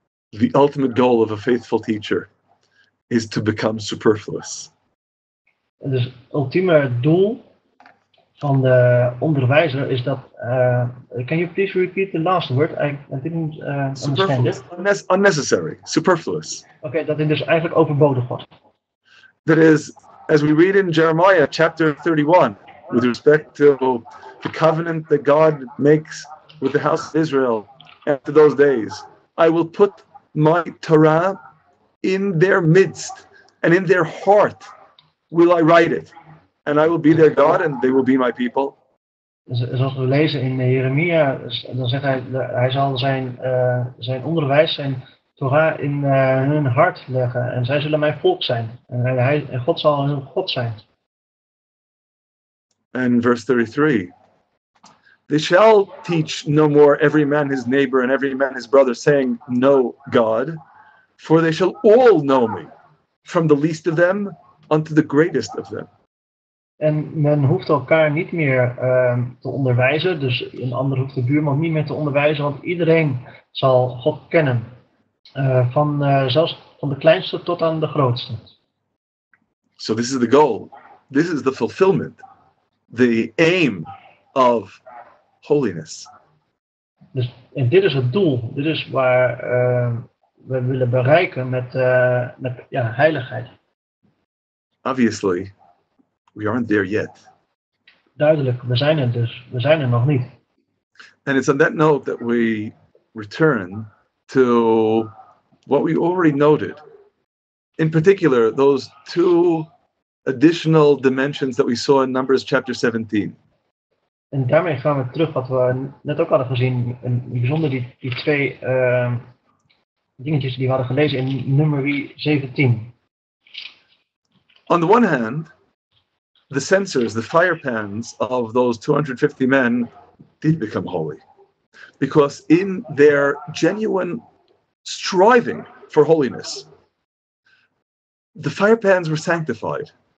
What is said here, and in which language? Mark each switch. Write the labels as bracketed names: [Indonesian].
[English] The ultimate goal of a faithful teacher is to become superfluous. [Dutch] Het dus ultieme doel van de onderwijzer is dat, [English] can you please repeat the last word? I didn't understand it. Unnecessary, superfluous. [Dutch] Okay, dat het dus eigenlijk overbodig wordt. [English] That is, as we read in Jeremiah chapter 31, with respect to the covenant that God makes with the house of Israel after those days, I will put my Torah in their midst, and in their heart will I write it. And I will be their God, and they will be my people. [Dutch] Zoals we lezen in Jeremia, dan zegt hij zal zijn onderwijs, zijn Torah in hun hart leggen. En zij zullen mijn volk zijn. En God zal hun God zijn. En vers 33. [English] They shall teach no more every man his neighbor and every man his brother saying, know God. For they shall all know me, from the least of them unto the greatest of them. [Dutch] En men hoeft elkaar niet meer te onderwijzen. Dus een ander hoeft de buurman niet meer te onderwijzen. Want iedereen zal God kennen. Zelfs van de kleinste tot aan de grootste. [English] So this is the goal. This is the fulfillment. The aim of holiness. [Dutch] Dus, en dit is het doel. Dit is waar we willen bereiken met heiligheid. [English] Obviously. We aren't there yet. [Dutch] Duidelijk, we zijn er dus. We zijn er nog niet. [English] And it's on that note that we return to what we already noted. In particular, those two additional dimensions that we saw in Numbers chapter 17. [Dutch] En daarmee gaan we terug wat we net ook hadden gezien. En bijzonder die twee dingetjes die we hadden gelezen in Numeri 17. [English] On the one hand, the censers, the firepans of those 250 men did become holy. Because in their genuine striving for holiness, the firepans were sanctified.